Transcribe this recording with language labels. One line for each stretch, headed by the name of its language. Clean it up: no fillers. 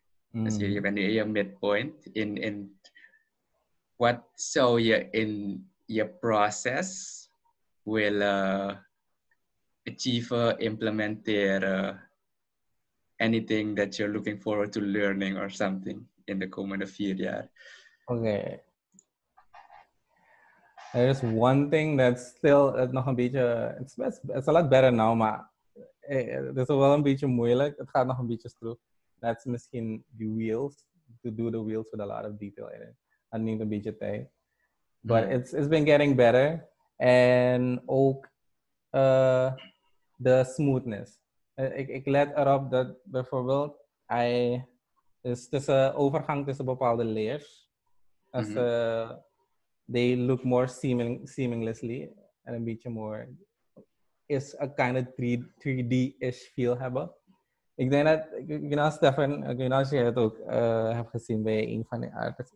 Dutch: Als je bent nu in je midpoint in what zou je in je proces willen achieven, implementeren, anything that you're looking forward to learning or something in the komende 4 jaar?
English: Okay.
Dutch: There's one thing that's still nog een beetje, it's a lot better now, maar het is wel een beetje moeilijk. Het gaat nog een beetje stroef.
English: That's misschien the wheels, to do the wheels with a lot of detail in it.
Dutch: Dat neemt een beetje tijd. But it's been getting better. En ook de smoothness. Ik let erop dat bijvoorbeeld, tussen overgang tussen bepaalde layers.
English: As they look more seamlessly and a bit more is a kind of 3D-ish feel hebben.
Dutch: Ik denk dat, you know, Stefan, ik weet niet als je het ook hebt gezien bij een van die artists.